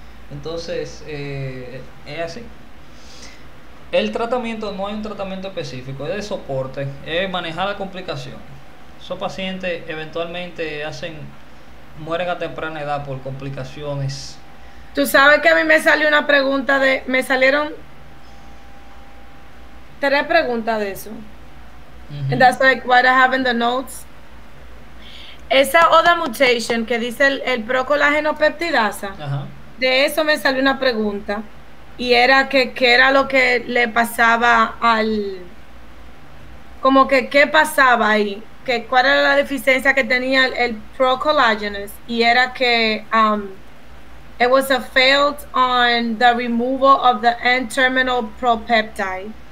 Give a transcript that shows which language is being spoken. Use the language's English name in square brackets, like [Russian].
[Spanish] Entonces, es así. El tratamiento, no hay un tratamiento específico, es de soporte, es manejar la complicación. Esos pacientes eventualmente mueren a temprana edad por complicaciones. Tú sabes que a mí me salió una pregunta de, me salieron tres preguntas de eso. [English] That's like what I have in the notes. [Spanish] Esa [English] other mutation [Spanish] que dice el procolagenopeptidasa, de eso me salió una pregunta. Y era que qué era lo que le pasaba al, como que qué pasaba ahí, que cuál era la deficiencia que tenía el procolagenase. Y era que [English] it was a failed on the removal of the N-terminal propeptide.